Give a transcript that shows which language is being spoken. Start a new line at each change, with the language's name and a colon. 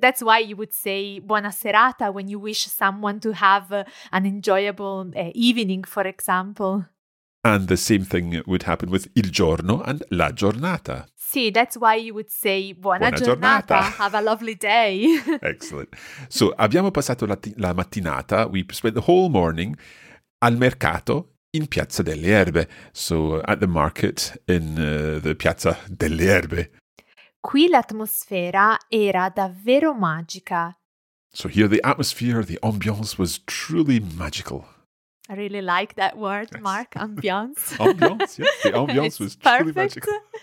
English: That's why you would say buona serata when you wish someone to have an enjoyable evening, for example. And the same thing would happen with il giorno and la giornata. Sì, that's why you would say buona giornata. Have a lovely day. Excellent. So
Italian: abbiamo passato la mattinata,
English: we spent the whole morning
Italian: al mercato in Piazza delle Erbe.
English: So at the market in the Piazza delle Erbe.
Italian: Qui l'atmosfera era davvero magica.
English: So here the atmosphere, the ambiance was truly magical. I really like that word, Mark, ambiance. Ambiance, yes, the ambiance was truly magical.